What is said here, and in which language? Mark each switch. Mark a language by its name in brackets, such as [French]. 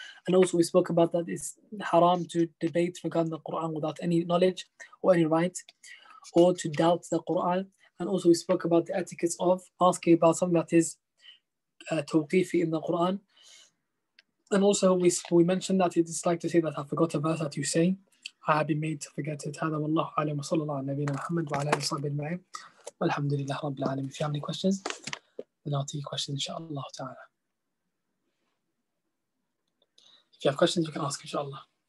[English] And also we spoke about that it's haram to debate regarding the Quran without any knowledge or any right, or to doubt the Quran. And also we spoke about the etiquettes of asking about something that is tawqifi in the Quran. And also we mentioned that it's like to say that I forgot a verse that you say. I have been made to forget it. [Arabic] هذا والله عليه وصلى الله على نبينا محمد وعلى آله وصحبه أجمعين. والحمد لله رب العالمين. [English] If you have any questions, then I'll take questions inshallah ta'ala. If you have questions, you can ask inshallah.